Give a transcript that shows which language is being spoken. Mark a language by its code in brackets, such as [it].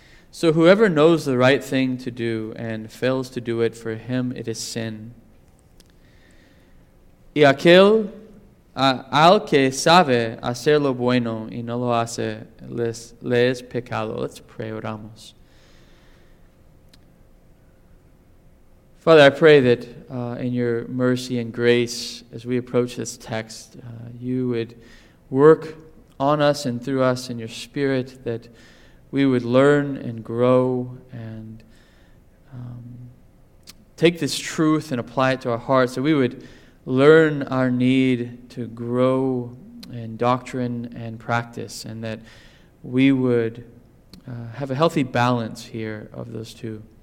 [en] So whoever knows the right thing to do and fails to do it, for him it is sin. [es] Y aquel al que sabe hacer lo bueno y no lo hace, le es pecado. [en] Let's pray, [es] oramos. [en] Father, I pray that in your mercy and grace, as we approach this text, you would work on us and through us in your spirit, that we would learn and grow and take this truth and apply it to our hearts, that we would learn our need to grow in doctrine and practice, and that we would have a healthy balance here of those two.